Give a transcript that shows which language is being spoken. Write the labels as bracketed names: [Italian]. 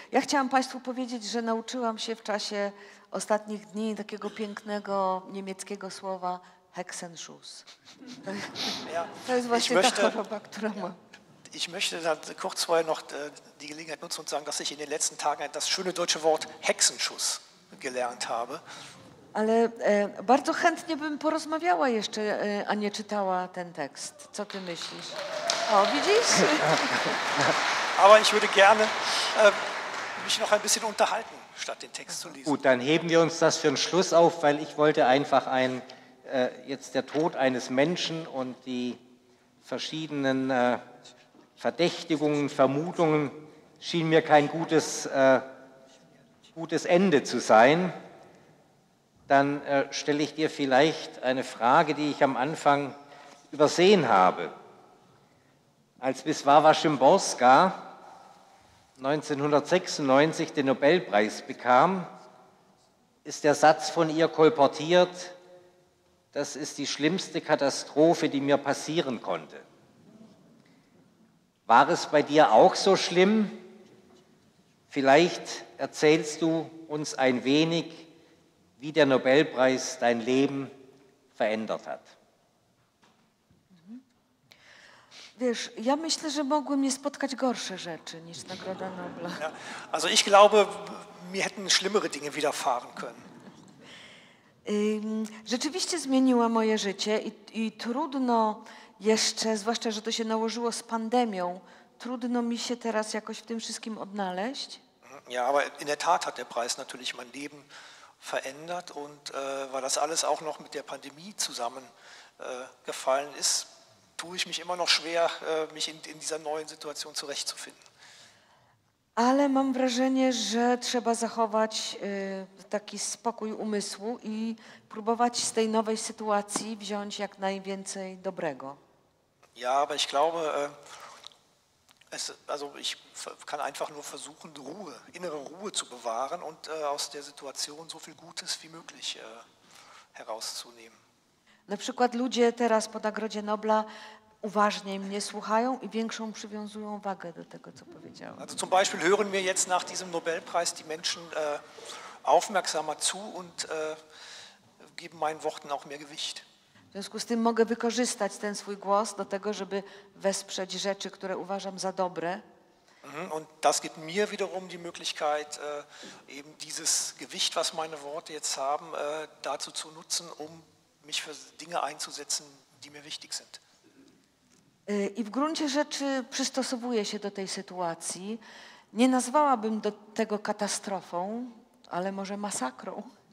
[Polish] Ja chciałam Państwu powiedzieć, że nauczyłam się w czasie ostatnich dni takiego pięknego niemieckiego słowa Hexenschuss. To jest właśnie ta choroba, która ma... [German] Ich möchte dann kurz vorher noch die Gelegenheit nutzen und sagen, dass ich in den letzten Tagen das schöne deutsche Wort Hexenschuss gelernt habe. [Polish] Ale bardzo chętnie bym porozmawiała jeszcze, a nie czytała ten tekst. Co ty myślisz? O, widzisz? [German] Aber ich würde gerne mich noch ein bisschen unterhalten, statt den Text zu lesen. Gut, dann heben wir uns das für den Schluss auf, weil ich wollte einfach jetzt der Tod eines Menschen und die verschiedenen Verdächtigungen, Vermutungen schien mir kein gutes Ende zu sein. Dann stelle ich dir vielleicht eine Frage, die ich am Anfang übersehen habe. Als Wisława Szymborska 1996 den Nobelpreis bekam, ist der Satz von ihr kolportiert: das ist die schlimmste Katastrophe, die mir passieren konnte. War es bei dir auch so schlimm? Vielleicht erzählst du uns ein wenig, wie der Nobelpreis dein Leben verändert hat. [Polish] Wiesz, ja myślę, że mogły mnie spotkać gorsze rzeczy niż Nagroda Nobla. Ja, [German] also ich glaube, mir hätten schlimmere Dinge widerfahren können. [Polish] Rzeczywiście zmieniła moje życie i trudno... Jeszcze, zwłaszcza, że to się nałożyło z pandemią, trudno mi się teraz jakoś w tym wszystkim odnaleźć. [German] Ja, aber in der Tat hat der Preis natürlich mein Leben verändert und weil das alles auch noch mit der Pandemie zusammengefallen ist, tue ich mich immer noch schwer, mich in dieser neuen Situation zurechtzufinden. [Polish] Ale mam wrażenie, że trzeba zachować taki spokój umysłu i próbować z tej nowej sytuacji wziąć jak najwięcej dobrego. [German] Ja, aber ich glaube, ich kann einfach nur versuchen, Ruhe, innere Ruhe zu bewahren und aus der Situation so viel Gutes wie möglich herauszunehmen. [Polish] Na przykład ludzie teraz po Nagrodzie Nobla uważniej mnie słuchają i większą przywiązują wagę do tego, co powiedziałem. [German] Also zum Beispiel hören mir jetzt nach diesem Nobelpreis die Menschen aufmerksamer zu und geben meinen Worten auch mehr Gewicht. [Polish] W związku z tym mogę wykorzystać ten swój głos do tego, żeby wesprzeć rzeczy, które uważam za dobre. [German] Und das gibt mir wiederum die Möglichkeit, eben dieses Gewicht, was meine Worte jetzt haben, dazu zu nutzen, um mich für Dinge einzusetzen, die mir wichtig sind. [Polish] I w gruncie rzeczy przystosowuję się do tej sytuacji. Nie nazwałabym do tego katastrofą, ale może masakrą.